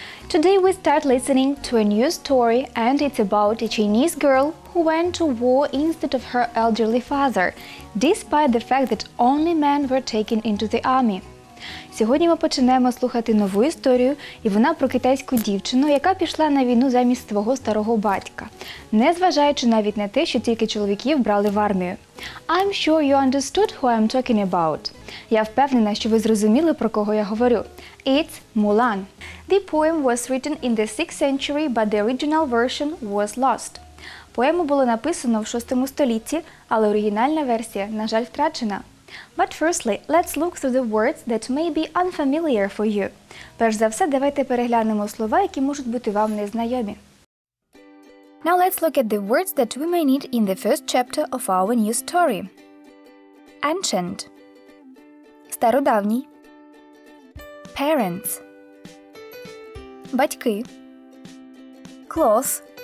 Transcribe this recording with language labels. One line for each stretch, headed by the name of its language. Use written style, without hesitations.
English: Today we start listening to a new story, and it's about a Chinese girl who went to war instead of her elderly father, despite the fact that only men were taken into the army.
Ukrainian: Сьогодні ми починаємо слухати нову історію, і вона про китайську дівчину, яка пішла на війну замість свого старого батька, незважаючи навіть на те, що тільки чоловіків брали в армію.
English: I'm sure you understood who I'm talking about.
Ukrainian: Я впевнена, що ви зрозуміли, про кого я говорю.
English: It's Mulan. The poem was written in the 6th century, but the original version was lost.
Ukrainian: Поему було написано в 6 столітті, але оригінальна версія, на жаль, втрачена.
English: But firstly, let's look through the words that may be unfamiliar for you.
Ukrainian: Перш за все, давайте переглянемо слова, які можуть бути вам незнайомі.
English: Now let's look at the words that we may need in the first chapter of our new story. Ancient.
Ukrainian: Стародавній.
English: Parents.
Ukrainian: Батьки.
English: Cloth.